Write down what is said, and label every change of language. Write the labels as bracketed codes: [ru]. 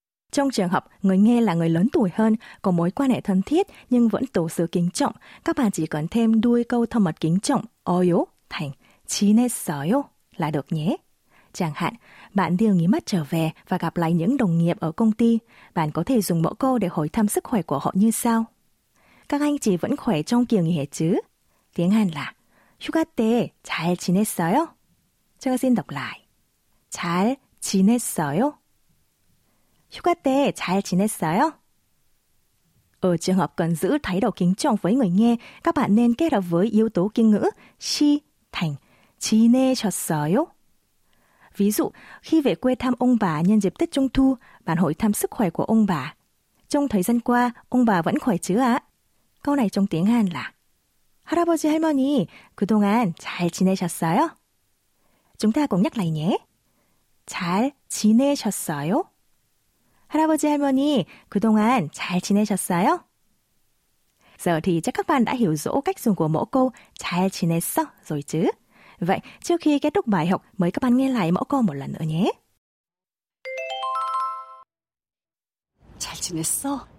[vi] Trong trường hợp người nghe là người lớn tuổi hơn, có mối quan hệ thân thiết nhưng vẫn tổ sự kính trọng, các bạn chỉ cần thêm đuôi câu thân mật kính trọng 어요 thành 지냈어요 là được nhé. Chẳng hạn, bạn đi nghỉ mát trở về và gặp lại những đồng nghiệp ở công ty, bạn có thể dùng mẫu câu để hỏi thăm sức khỏe của họ như sau. Các anh chị vẫn khỏe trong kỳ nghỉ hè chứ? Tiếng Hàn là [ko] 휴가 때 잘 지냈어요? [vi] Chúng ta xin đọc lại. [ko] 잘 지냈어요? 휴가 때 잘 지냈어요? [vi] Ở trường hợp cần giữ thái độ kính trọng với người nghe, các bạn nên kết hợp với yếu tố kiêng ngữ 시 thành 지내셨어요? Ví dụ, khi về quê thăm ông bà nhân dịp Tết Trung Thu, bạn hỏi thăm sức khỏe của ông bà. Trong thời gian qua, ông bà vẫn khỏe chứ ạ? Câu này trong tiếng Hàn là [ko] 할아버지, 할머니, 그동안 잘 지내셨어요? [vi] Chúng ta cùng nhắc lại nhé. [ko] 잘 지내셨어요? 할아버지, 할머니, 그동안 잘 지내셨어요? [vi] Giờ thì chắc các bạn đã hiểu rõ cách dùng của mẫu câu 잘 지냈어 rồi chứ? Vậy, trước khi kết thúc bài học, mời các bạn nghe lại mẫu câu một lần nữa nhé. [ko] 잘 지냈어?